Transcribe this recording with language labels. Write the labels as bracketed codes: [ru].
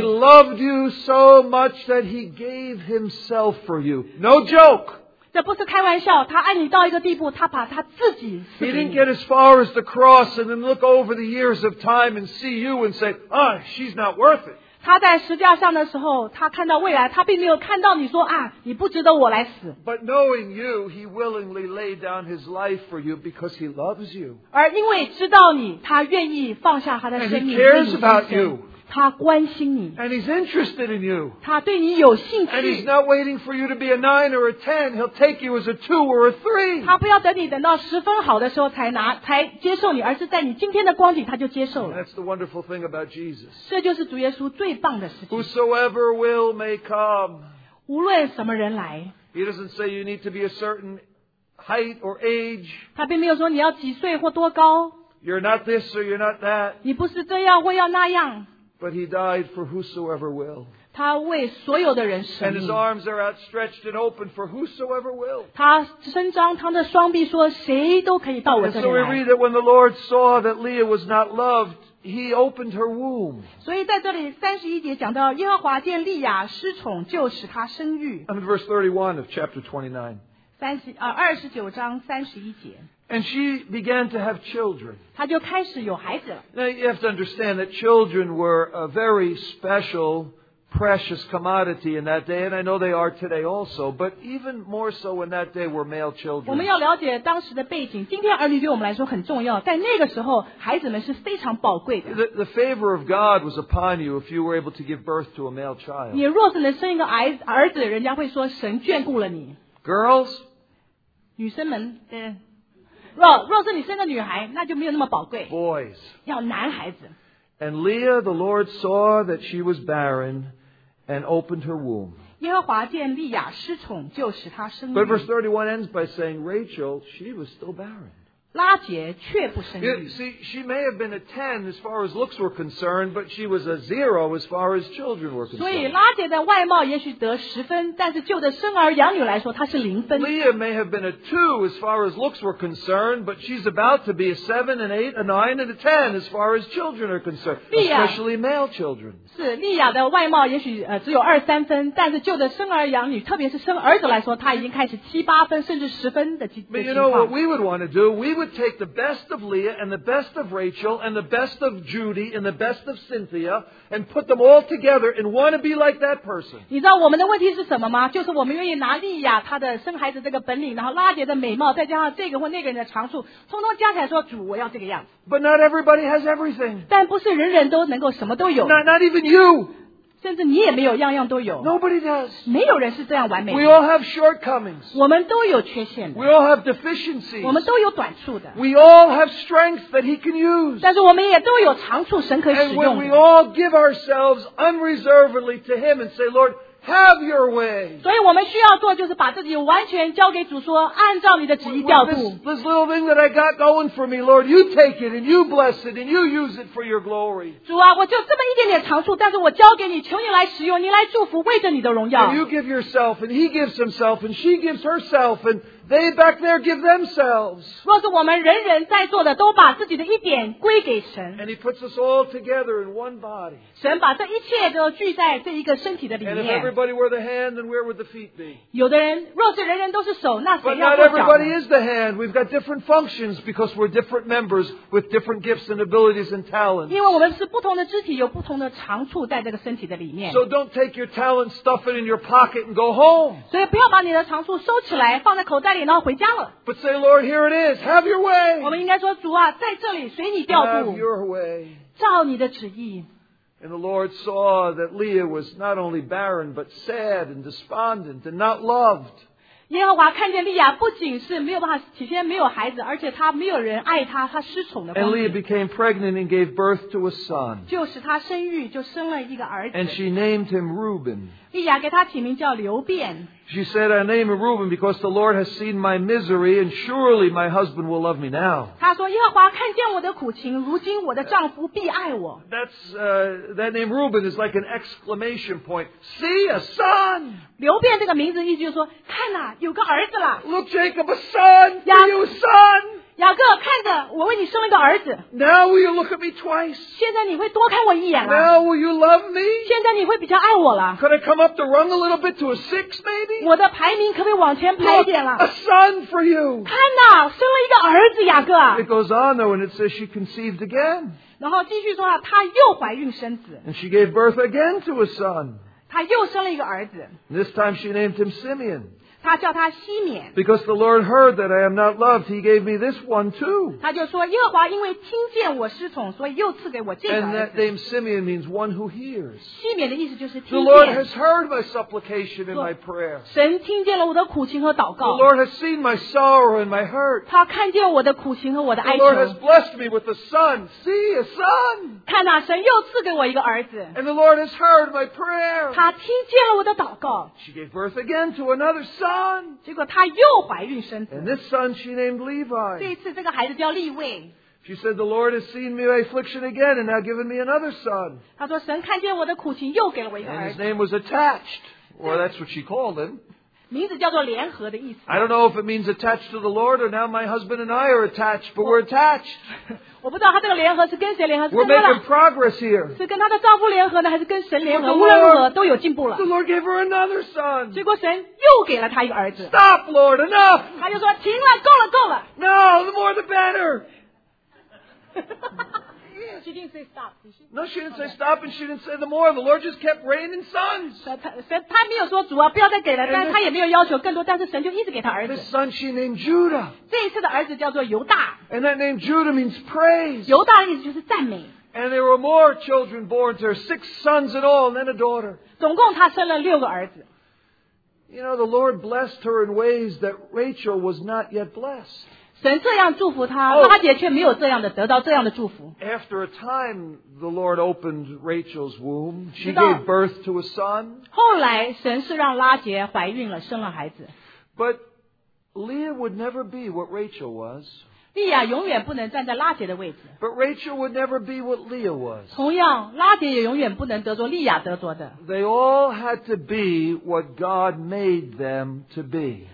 [en] He loved you so much that he gave himself for you. No joke. [zh] 这不是开玩笑, 他爱你到一个地步, 他把他自己赐给你。 [en] He didn't get as far as the cross and then look over the years of time and see you and say, ah, she's not worth it. [zh] 他在十字架上的时候, 他看到未来, 他并没有看到你说, 啊, 你不值得我来死。 [en] But knowing you, he willingly laid down his life for you because he loves you. [zh] 而因为知道你, 他愿意放下他的生命, [en] and he cares about you. [zh] 他关心你, [en] and he's interested in you. [zh] 他对你有兴趣, [en] and he's not waiting for you to be a 9 or a 10. He'll take you as a 2 or a 3. [zh] 他不要等你等到十分好的时候才拿,才接受你, 而是在你今天的光景, 他就接受了。 [en] That's the wonderful thing about Jesus. [zh] 这就是主耶稣最棒的事情。 [en] Whosoever will may come. [zh] 无论什么人来, [en] he doesn't say you need to be a certain height or age. [zh] 他并没有说你要几岁或多高, [en] you're not this or you're not that. [zh] 你不是这样或要那样。 [en] But he died for whosoever will. [zh] 他为所有的人舍命, [en] and his arms are outstretched and open for whosoever will. [zh] 他伸张他的双臂说, [en] and so we read that when the Lord saw that Leah was not loved, he opened her womb. [zh] 所以在这里31节讲到, 耶和华见利亚失宠, [en] and in verse 31 of chapter 29, [zh] 29章31节, [en] and she began to have children. [zh] 她就开始有孩子了。 [en] Now you have to understand that children were a very special, precious commodity in that day, and I know they are today also, but even more so in that day were male children. [zh] 我们要了解当时的背景, 今天儿女对我们来说很重要, 但那个时候, 孩子们是非常宝贵的。 [en] The favor of God was upon you if you were able to give birth to a male child. [zh] 你若是能生一个儿子, 人家会说, 神眷顾了你。 [en] Girls? [zh] 女生们, 对。若是你生个女孩, 那就没有那么宝贵。 [en] Boys. [zh] 要男孩子。 [en] And Leah, the Lord saw that she was barren and opened her womb. [zh] 耶和华见利亚失宠, 就使她生育。 [en] But verse 31 ends by saying, Rachel, she was still barren. [zh] 拉结却不生育。 [en] See, she may have been a 10 as far as looks were concerned, but she was a 0 as far as children were concerned. [zh] 所以拉结的外貌也许得10分, 但是就的生儿养女来说, 她是0分。 [en] Leah may have been a 2 as far as looks were concerned, but she's about to be a 7, an 8, a 9, and a 10 as far as children are concerned, especially male children. [zh] 是利亚的外貌也许只有2、3分, 但是就的生儿养女, 特别是生儿子来说, 她已经开始7、8分, 甚至10分的情况。 [en] But you know what we would want to do? We would take the best of Leah and the best of Rachel and the best of Judy and the best of Cynthia and put them all together and want to be like that person. [zh] 你知道我们的问题是什么吗?就是我们愿意拿利亚她的生孩子这个本领, 然后拉结的美貌, 再加上这个或那个人的长处, 通通加起来说, 主, 我要这个样子。 [en] But not everybody has everything. [zh] 但不是人人都能够什么都有。 [en] Not even you. [zh] 甚至你也没有样样都有。 [en] Nobody does. [zh] 没有人是这样完美的。 [en] We all have shortcomings. [zh] 我们都有缺陷的。 [en] We all have deficiencies. [zh] 我们都有短处的。 [en] We all have strength that he can use. [zh] 但是我们也都有长处神可以使用。 [en] And when we all give ourselves unreservedly to him and say, Lord, have your way. [zh] 所以我们需要做就是把自己完全交给主说, 按照你的旨意调度。 [en] This little thing that I got going for me, Lord, you take it and you bless it and you use it for your glory. [zh] 主啊, 我就这么一点点长处, 但是我交给你, 求你来使用, 你来祝福, 为着你的荣耀。 [en] And you give yourself and he gives himself and she gives herself and They back there give themselves. [zh] 若是我们人人在座的都把自己的一点归给神。 [en] And he puts us all together in one body. [zh] 神把这一切都聚在这一个身体的里面。 [en] And if everybody were the hand, then where would the feet be? [zh] 有的人若是人人都是手，那谁要做脚？ [en] But not everybody is the hand. We've got different functions because we're different members with different gifts and abilities and talents. [zh] 因为我们是不同的肢体，有不同的长处在这个身体的里面。 [en] So don't take your talent, stuff it in your pocket, and go home. [zh] 所以不要把你的长处收起来，放在口袋。 [en] But say, Lord, here it is. Have your way. [zh] 我们应该说主啊，在这里随你调度。 [en] Have your way. [zh] 照你的旨意。 [en] And the Lord saw that Leah was not only barren but sad and despondent and not loved. [zh] 耶和华看见利亚不仅是没有办法，起先没有孩子，而且她没有人爱她，她失宠的。 [en] And Leah became pregnant and gave birth to a son. [zh] 就使她生育，就生了一个儿子。 [en] And she named him Reuben. [zh] 利亚给他起名叫刘便。 [en] She said, I name him Reuben because the Lord has seen my misery and surely my husband will love me now. [zh] 她说耶和华看见我的苦情，如今我的丈夫必爱我。 [en] That name Reuben is like an exclamation point. See, a son! [zh] 刘便这个名字意思就是说看啊，有个儿子了。 [en] Look, Jacob, a son! You son! [zh] 雅各，看着我为你生了个儿子。 [en] Now will you look at me twice? [zh] 现在你会多看我一眼了。 [en] Now will you love me? [zh] 现在你会比较爱我了。 [en] Could I come up the rung a little bit to a six maybe? [zh] 我的排名可不可以往前排一点了？ [en] A son for you. [zh] 看呐，生了一个儿子，雅各。 [en] It goes on though, and it says she conceived again. [zh] 然后继续说啊，她又怀孕生子。 [en] And she gave birth again to a son. [zh] 她又生了一个儿子。 [en] This time she named him Simeon. [zh] 他叫他西缅。 [en] Because the Lord heard that I am not loved, He gave me this one too. [zh] 他就说耶和华因为听见我失宠，所以又赐给我这个儿子。 [en] And that name Simeon means one who hears. [zh] 西缅的意思就是听见。 [en] The Lord has heard my supplication and my prayer. [zh] 神听见了我的苦情和祷告。 [en] The Lord has seen my sorrow and my hurt. [zh] 他看见我的苦情和我的哀求。 [en] The Lord has blessed me with a son. See, a son. [zh] 看哪，神又赐给我一个儿子。 [en] And the Lord has heard my prayer. [zh] 他听见了我的祷告。 [en] She gave birth again to another son. [zh] 结果她又怀孕生子。 [en] And this son she named Levi. [zh] 这一次这个孩子叫利未。 [en] She said, the Lord has seen me my affliction again and now given me another son. [zh] 她说神看见我的苦情又给了我一个儿子。 [en] And his name was attached. Or that's what she called him. [zh] 名字叫做联合的意思。 [en] I don't know if it means attached to the Lord or now my husband and I are attached, but we're attached. [zh] 我不知道他这个联合是跟谁联合， [en] We're making progress here. [zh] 是跟他的丈夫联合呢，还是跟神联合？无论如何都有进步了。 [en] The Lord gave her another son. [zh] 结果神又给了他一个儿子。 [en] Stop, Lord, enough. [zh] 他就说停了，够了，够了。 [en] No, the more the better. She didn't say stop. No, she didn't say stop, and she didn't say the more. The Lord just kept raining sons. [zh] 他没有说主啊，不要再给了，但是他也没有要求更多，但是神就一直给他儿子。 [en] This son she named Judah. [zh] 这一次的儿子叫做犹大。 [en] And that name Judah means praise. [zh] 犹大的意思就是赞美。 [en] And there were more children born to her, six sons in all, and then a daughter. [zh] 总共他生了六个儿子。 [en] You know, the Lord blessed her in ways that Rachel was not yet blessed. [zh] 神这样祝福他，拉结却没有这样的得到这样的祝福。 [en] After a time, the Lord opened Rachel's womb. She gave birth to a son. [zh] 后来神是让拉结怀孕了，生了孩子。 [en] But Leah would never be what Rachel was. [zh] 利亚永远不能站在拉结的位置。 [en] But Rachel would never be what Leah was. [zh] 同样，拉结也永远不能得着利亚得着的。 [en] They all had to be what God made them to be.